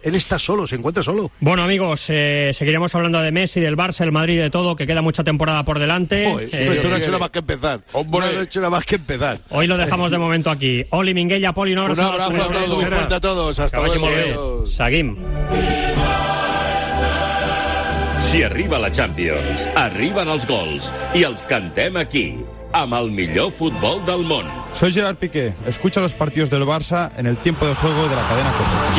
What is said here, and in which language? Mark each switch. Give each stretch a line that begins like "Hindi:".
Spanish: Él está solo, se encuentra solo. Bueno, amigos, seguiremos hablando de Messi, del Barça, del Madrid, de todo, que queda mucha temporada por delante. Esto no ha hecho nada más que empezar. Hombre, no ha hecho nada más que empezar. Hoy lo dejamos de momento aquí. Oli, Minguella, Poli, un abrazo. Un abrazo, un abrazo muy fuerte a todos. Hasta luego.
Catalan: Seguim. Si arriba la Champions, arriben els gols. I els cantem aquí. Amb el millor futbol del món.
Spanish: Soy Gerard Piqué. Escucha los partidos del Barça en el tiempo de juego de la cadena COPE.